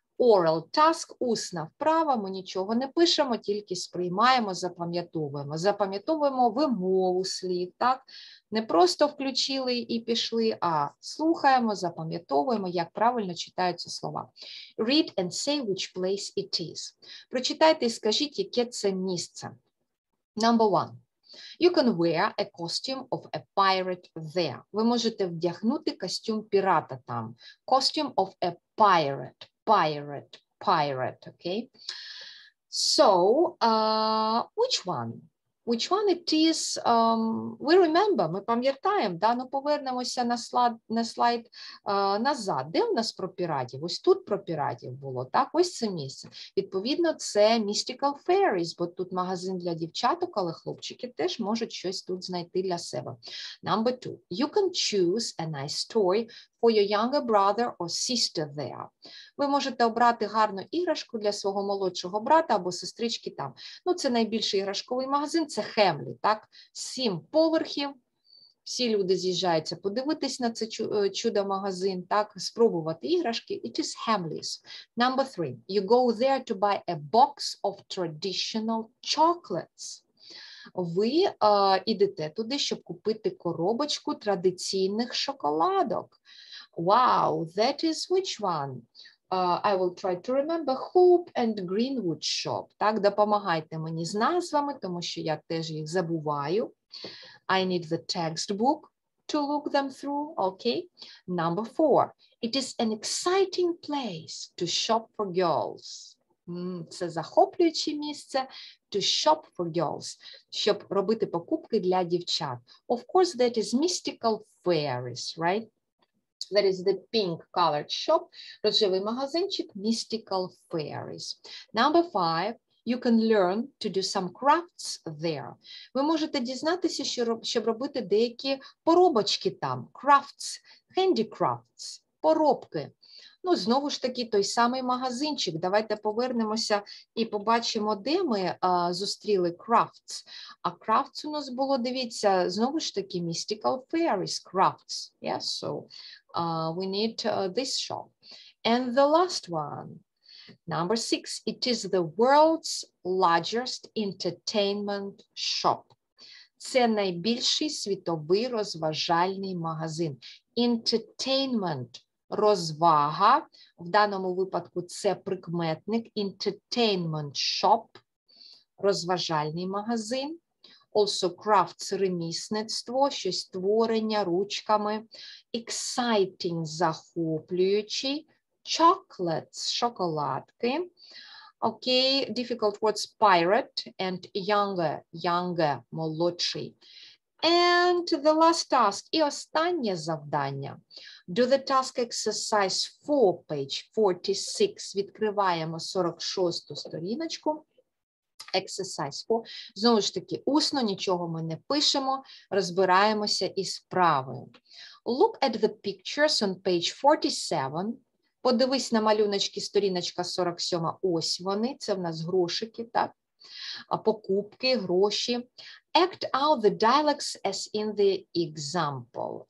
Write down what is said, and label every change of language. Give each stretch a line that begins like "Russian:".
English: Oral task,
Ukrainian: усна вправа, ми нічого не пишемо, тільки сприймаємо, запам'ятовуємо. Запам'ятовуємо вимову слів, так? Не просто включили і пішли, а слухаємо, запам'ятовуємо, як правильно читаються слова.
English: Read and say which place it is.
Ukrainian: Прочитайте і скажіть, яке це місце.
English: Number one. You can wear a costume of a pirate there.
Ukrainian: Ви можете вдягнути костюм пірата там.
English: Costume of a pirate. Pirate. Pirate. Okay. So, which one? Which one it is? We remember.
Ukrainian: Ми пам'ятаємо. Да? Ну, повернемося на слайд назад. Де у нас про піратів? Ось тут про піратів було. Так? Ось це місце. Відповідно, це Mystical Fairies, бо тут магазин для дівчаток, але хлопчики теж можуть щось тут знайти для себе.
English: Number two. You can choose a nice toy for your younger brother or sister there.
Ukrainian: Ви можете обрати гарну іграшку для свого молодшого брата або сестрички там. Ну, це найбільший іграшковий магазин. Це Хемлі, так? 7 поверхів, всі люди з'їжджаються подивитись на це чудо-магазин, так? Спробувати іграшки.
English: It is Hamleys. Number three. You go there to buy a box of traditional chocolates.
Ukrainian: Ви йдете туди, щоб купити коробочку традиційних шоколадок.
English: Wow, that is which one? I will try to remember Hope and Greenwood Shop.
Ukrainian: Так, допомагайте мені з назвами, тому що я теж їх забуваю.
English: I need the textbook to look them through. Okay. Number four. It is an exciting place to shop for girls.
Ukrainian: Це захоплююче місце
English: to shop for girls,
Ukrainian: щоб робити покупки для дівчат.
English: Of course, that is mystical fairies, right? That is the pink colored shop,
Ukrainian: рожевий магазинчик,
English: mystical fairies. Number five, you can learn to do some crafts there.
Ukrainian: Ви можете дізнатися, щоб робити деякі поробочки там, crafts, handicrafts, поробки. Ну, знову ж таки, той самий магазинчик. Давайте повернемося і побачимо, де ми зустріли crafts. А crafts у нас було, дивіться, знову ж таки, mystical fairies, crafts.
English: Yes, so we need this shop. And the last one, number six, it is the world's largest entertainment shop.
Ukrainian: Це найбільший світовий розважальний магазин.
English: Entertainment.
Ukrainian: Розвага, в даному випадку це прикметник,
English: entertainment shop, розважальний магазин, also crafts, ремісництво, щось творення ручками, exciting, захоплюючий, chocolates, шоколадки, okay, difficult words, pirate and younger, younger, молодший. And the last task,
Ukrainian: і останнє завдання.
English: Do the task exercise 4, page 46.
Ukrainian: Відкриваємо 46-ту сторіночку.
English: Exercise 4.
Ukrainian: Знову ж таки, усно нічого ми не пишемо, розбираємося із правою.
English: Look at the pictures on page 47.
Ukrainian: Подивись на малюночки сторіночка 47. Ось вони, це в нас грошики, так? Покупки, гроші.
English: Act out the dialects as in the example.